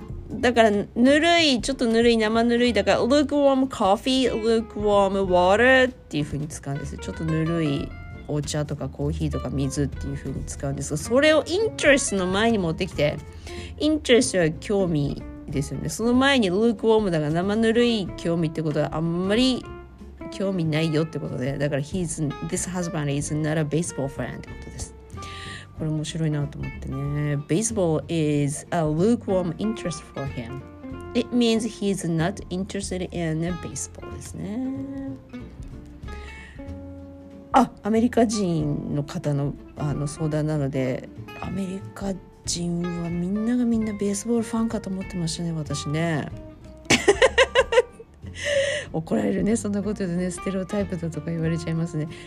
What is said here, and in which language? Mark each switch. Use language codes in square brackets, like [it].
[ja] だからぬるい、ちょっとぬるい、生ぬるい、だから lukewarm coffee、 lukewarm water っていう風に使うんです。ちょっとぬるいお茶とかコーヒーとか水っていう風に使うんですが、それを interest の前に持ってきて、 interest は興味ですよね。その前に lukewarm だから生ぬるい興味ってことはあんまり興味ないよってことで、だから [en] he's, this husband is not a baseball fan [ja] ってことです。これ面白いなと思ってね。 [en] Baseball is a lukewarm interest for him. It means he's not interested in baseball [ja] ですね。あ、アメリカ人の方の、相談なので、アメリカ人はみんながみんなベースボールファンかと思ってましたね、私ね。怒られるね、そんなことでね、ステレオタイプだとか言われちゃいますね。